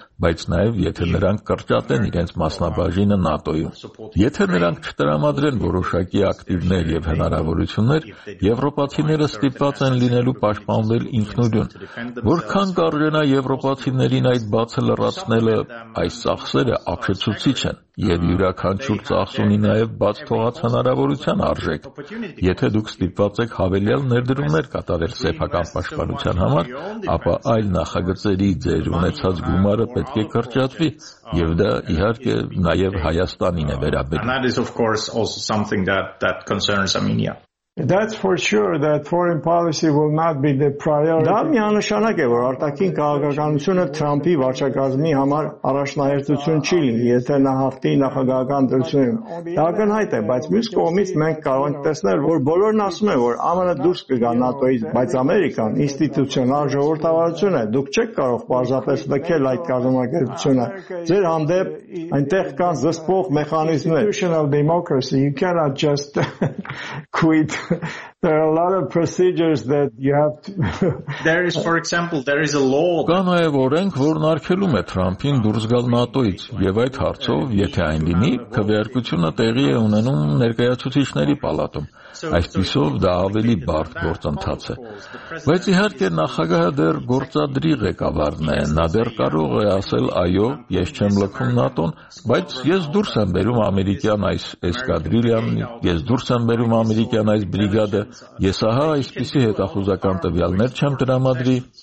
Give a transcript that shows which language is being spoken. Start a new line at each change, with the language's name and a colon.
Armenian: բայց նաև եթե նրանք կրճատեն իրենց մասնաբաժինը ՆԱՏՕ-ում։ Եթե նրանք չտրամադրեն որոշակի ակտիվներ և հնարավորություններ, եվրոպացիները ստիպված են լինելու պաշտպանվել ինքնուրույն։ Որքան կարժենա եվրոպացիներին այդ բացը լրացնելը, այս ծախսերը ապշեցուցիչ են, և յուրաքանչյուր ծախս ունի նաև բաց թողած հնարավորության արժեք։ Եթե դուք ստիպված եք հավելյալ ներդրումներ կատարել սեփական պաշտպանության համար, ապա այլ նախագծերի ձեր ունեցած գումարը պետք է կրճատվի, և դա իհարկե նաև Հայաստանին է վերաբերում։
English: That's for sure that foreign policy will not be the priority.
Armenian: Դա միանշանակ է, որ արտաքին քաղաքականությունը Թրամփի վարչակազմի համար առաջնահերթություն չի լինի, եթե նա հաղթի նախագահական դրությունը։ Դա ակնհայտ է, բայց մյուս կողմից մենք կարող ենք տեսնել, որ բոլորն ասում են, որ ԱՄՆ-ը դուրս կգա ՆԱՏՕ-ից, բայց Ամերիկան ինստիտուցիոնալ ժողովրդավարություն է, դուք չեք կարող պարզապես մքել այդ կազմակերպությունը։ Ձեր հանդեպ այնտեղ կան զսպող մեխանիզմներ։
English: Institutional democracy, you cannot just quit. There are a lot of procedures that you have to... There is, for example, there is a law...
Armenian: Կա նաև օրենք, որ նարգելում է Թրամփին դուրս գալ ՆԱՏՕ-ից, և այդ հարցով, եթե այն լինի, քվեարկությունը տեղի է ունենում ներկայացուցիչների պալատում։ Այսպիսով դա ավելի բարդ գործընթաց է։ Բայց իհարկե նախագահը դեռ գործադրի ղեկավարն է, նա դեռ կարող է ասել, այո, ես չեմ լքում ՆԱՏՕ-ն, բայց ես դուրս եմ բերում ամերիկյան այս էսկադրիլյան, ես դուրս եմ բերում ամերիկյան այս բրիգադը, ես ահա այսպիսի հետախուզական տվյալներ չեմ տրամադրի։